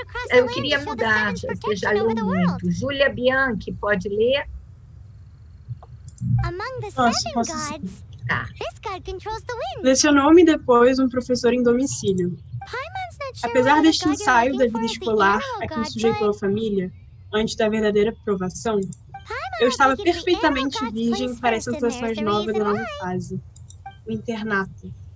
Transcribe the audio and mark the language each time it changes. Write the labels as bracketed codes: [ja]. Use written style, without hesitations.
[pt] Eu queria mudar, você já leu muito. Júlia Bianchi, pode ler? [en] Among the seven gods, this god controls the wind. [pt] Lecionou-me depois um professor em domicílio. Apesar deste ensaio da vida escolar a que me sujeitou a família, antes da verdadeira provação, eu estava perfeitamente virgem para as situações novas da nova fase, o internato.